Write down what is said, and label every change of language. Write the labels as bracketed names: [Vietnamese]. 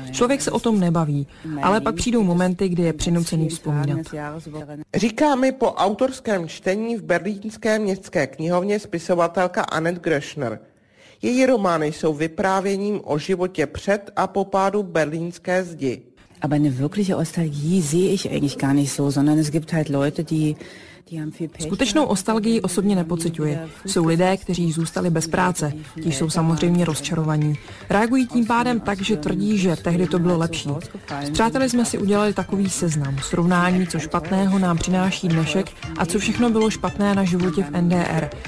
[Czech] Člověk se o tom nebaví, ale pak přijdou momenty, kdy je přinucený vzpomínat. Říká mi po autorském čtení v berlínské městské knihovně spisovatelka Annette Gröschner. Její romány jsou vyprávěním o životě před a po pádu berlínské zdi. [German] Aber eine wirkliche Nostalgie sehe ich eigentlich gar nicht so, sondern es gibt halt Leute, die [Czech] Skutečnou nostalgii osobně nepociťuji. Jsou lidé, kteří zůstali bez práce, ti jsou samozřejmě rozčarovaní. Reagují tím pádem tak, že tvrdí, že tehdy to bylo lepší. S přáteli jsme si udělali takový seznam, srovnání, co špatného nám přináší dnešek a co všechno bylo špatné na životě v NDR.